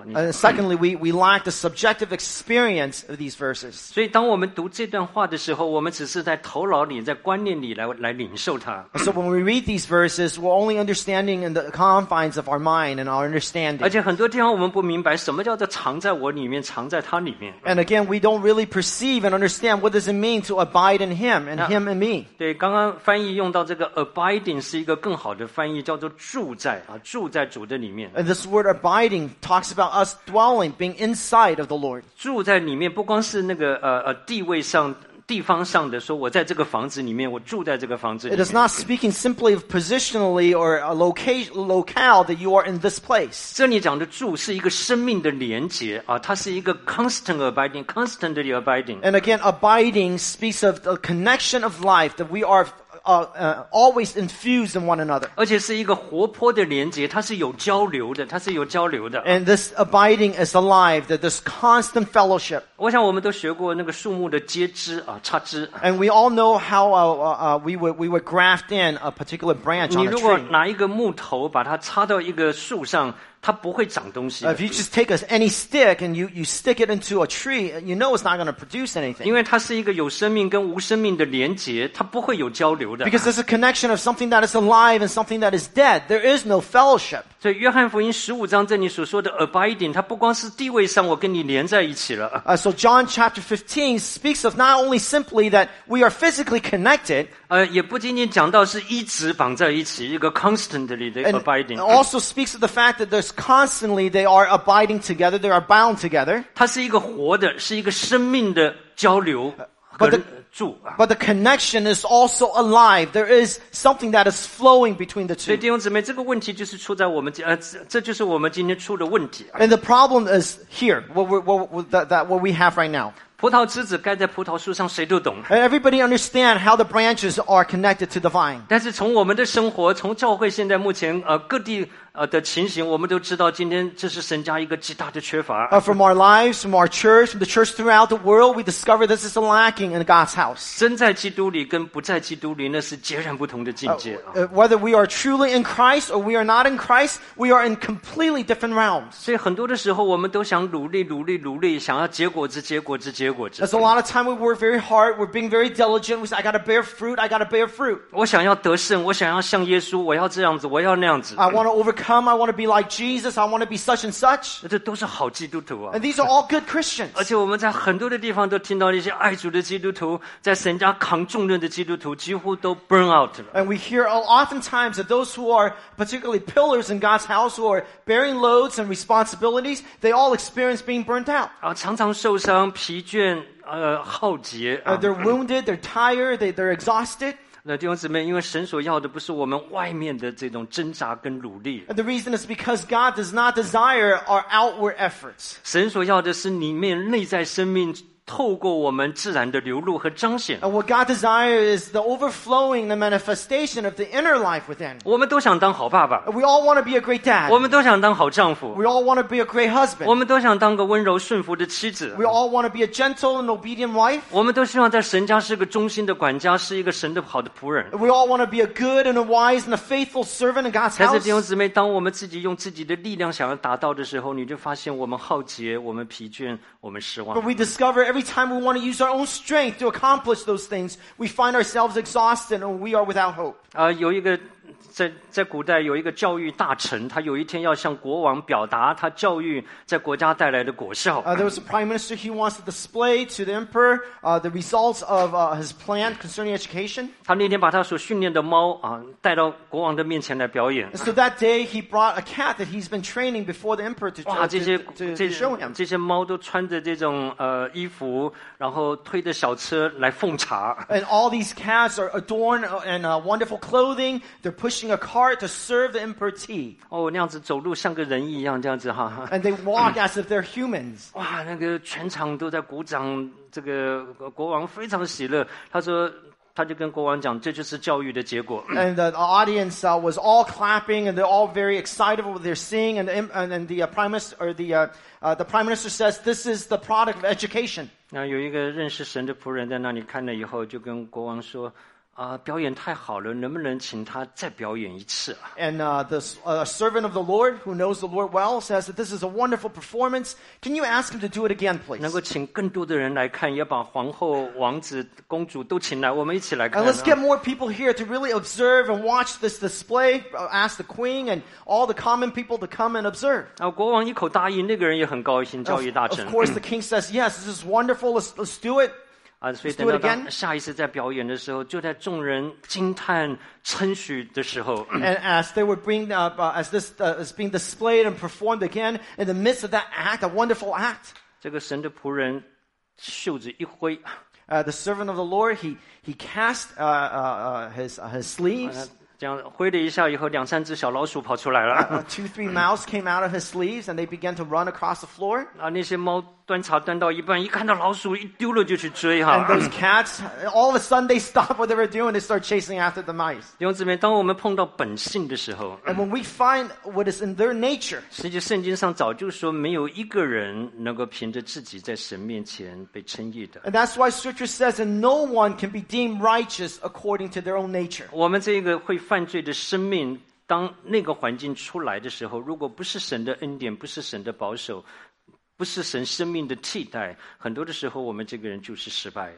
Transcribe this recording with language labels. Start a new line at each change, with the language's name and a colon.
English: Secondly, we lack the subjective experience of these verses.
Chinese: 所以当我们读这段话的时候我们只是在头脑里在观念里 来领受它
English: So when we read these verses, we're only understanding in the confines of our mind and our understanding.
Chinese: 而且很多地方我们不明白什么叫做藏在我里面藏在他里面
English: And again, we don't really perceive and understand what does it mean to abide in him and him in me.
Chinese: 对刚刚翻译用到这个 abiding 是一个更好的翻译叫做住在住在主的里面
English: And this word abiding talks It's about us dwelling, being inside of the Lord.
Chinese: 住在里面不光是那个地位上地方上的说我在这个房子里面我住在这个房子里面
English: It is not speaking simply of positionally or a locale that you are in this place.
Chinese: 这里讲的住是一个生命的连结它是一个
English: constant abiding, constantly abiding. And again, abiding speaks of the connection of life that we are always infused in one another.
Chinese: 而且是一个活泼的连接，它是有交流的，它是有交流的。
English: And this abiding is alive, that this constant fellowship.
Chinese: 我想我们都学过那个树木的接枝插枝。
English: And we all know how we would graft in a particular branch on a tree.
Chinese: 你如果拿一个木头把它插到一个树上，它不会长东西。
English: If you just take any stick and you stick it into a tree, you know it's not going to produce anything.
Chinese: 因为它是一个有生命跟无生命的连结，它不会有交流的。
English: Because there's a connection of something that is alive and something that is dead. There is no fellowship.
Chinese: 所以约翰福音十五章这里所说的 abiding, 它不光是地位上我跟你连在一起了。
English: So John chapter 15 speaks of not only simply that we are physically connected,
Chinese: 也不仅仅讲到是一直绑在一起，一个 constantly 的 abiding.
English: And also speaks of the fact that there's constantly they are abiding together, they are bound together.
Chinese: 它是一个活的，是一个生命的交流和住。
English: But the connection is also alive. There is something that is flowing between the two.
Chinese: 所以弟兄姊妹，这个问题就是出在我们这就是我们今天出的问题。
English: And the problem is here, what we have right now.
Chinese: 葡萄枝子盖在葡萄树上谁都懂
English: Everybody understand how the branches are connected to the vine
Chinese: 但是从我们的生活从教会现在目前各地的情形我们都知道今天这是神家一个极大的缺乏
English: From our lives, from our church, from the church throughout the world we discover this is a lacking in God's house
Chinese: 真在基督里跟不在基督里那是截然不同的境界
English: Whether we are truly in Christ or we are not in Christ we are in completely different realms
Chinese: 所以很多的时候我们都想努力努力努力想要结果子结果子
English: As a lot of time we work very hard, we're being very diligent, we say, I gotta bear fruit, I gotta bear fruit.
Chinese: 我想要得胜，我想要像耶稣，我要这样子，我要那样子。
English: I wanna overcome, I wanna be like Jesus, I wanna be such and such.
Chinese: 这都是好基督徒啊。
English: And these are all good Christians.
Chinese: 而且我们在很多的地方都听到一些爱主的基督徒，在神家扛重任的基督徒几乎都 burn out 了。
English: And we hear oftentimes that those who are particularly pillars in God's house who are bearing loads and responsibilities, they all experience being burnt out.
Chinese: 常常受伤，疲倦。耗竭
English: They're wounded, they're tired, they're exhausted.
Chinese: 那弟兄姊妹，因为神所要的不是我们外面的这种挣扎跟努力。
English: And the reason is because God does not desire our outward efforts.
Chinese: 神所要的是里面内在生命透过我们自然的流露和彰显。
English: And what God desires is the overflowing, the manifestation of the inner life within.
Chinese: 我们都想当好爸爸。
English: We all want to be a great dad.
Chinese: 我们都想当好丈夫。
English: We all want to be a great husband.
Chinese: 我们都想当个温柔顺服的妻子。
English: We all want to be a gentle and obedient wife.
Chinese: 我们都希望在神家是个忠心的管家，是一个神的好的仆人。
English: We all want to be a good and a wise and a faithful servant in God's house.
Chinese: 但是弟兄姊妹，当我们自己用自己的力量想要达到的时候，你就发现我们耗竭，我们疲倦，我们失望。
English: But we discover every time we want to use our own strength to accomplish those things, we find ourselves exhausted and we are without hope.
Chinese: 有一个在古代有一个教育大臣，他有一天要向国王表达他教育在国家带来的果效。
English: There was a prime minister, he wants to display to the emperor the results of his plan concerning education.
Chinese: 他那天把他所训练的猫带到国王的面前来表演。
English: So that day he brought a cat that he's been training before the emperor to show him.
Chinese: 这些猫都穿着这种衣服，然后推着小车来奉茶。
English: And all these cats are adorned in wonderful clothing. They're pushing a cart to serve the emperor tea.
Chinese: 那样子走路像个人一样，这样子哈。
English: And they walk as if they're humans.
Chinese: 那个全场都在鼓掌，这个国王非常喜乐。他说，他就跟国王讲，这就是教育的结果。
English: And the audience was all clapping, and they're all very excited about what they're seeing. And the prime minister says, "This is the product of education."
Chinese: 那有一个认识神的仆人在那里看了以后，就跟国王说。表演太好了，能不能请他再表演一次啊？
English: And the servant of the Lord who knows the Lord well says that this is a wonderful performance. Can you ask him to do it again, please?
Chinese: 能够请更多的人来看，也把皇后、王子、公主都请来，我们一起来看。
English: And let's get more people here to really observe and watch this display. Ask the queen and all the common people to come and observe.
Chinese: 国王一口答应，那个人也很高兴，教育大臣。
English: Of course, the king says yes. This is wonderful. Let's do it.
Chinese: 所以等到下一次在表演的时候，就在众人惊叹称许的时候。
English: And as they were bringing up, as this is being displayed and performed again in the midst of that act, a wonderful act.
Chinese: 这个神的仆人袖子一挥。
English: The servant of the Lord, he cast his sleeves.
Chinese: 这样挥了一下以后，两三只小老鼠跑出来了。
English: Two, three mice came out of his sleeves, and they began to run across the floor.
Chinese: 那些猫。端茶端到一半，一看到老鼠，一丢了就去追哈。
English: And those cats, all of a sudden they stop what they were doing and they start chasing after the mice.
Chinese: 弟兄姊妹，当我们碰到本性的时候
English: ，And when we find what is in their nature,
Chinese: 实际圣经上早就说没有一个人能够凭着自己在神面前被称义的。
English: And that's why Scripture says that no one can be deemed righteous according to their own nature.
Chinese: 我们这个会犯罪的生命。当那个环境出来的时候，如果不是神的恩典，不是神的保守，不是神生命的替代，很多的时候我们这个人就是失败。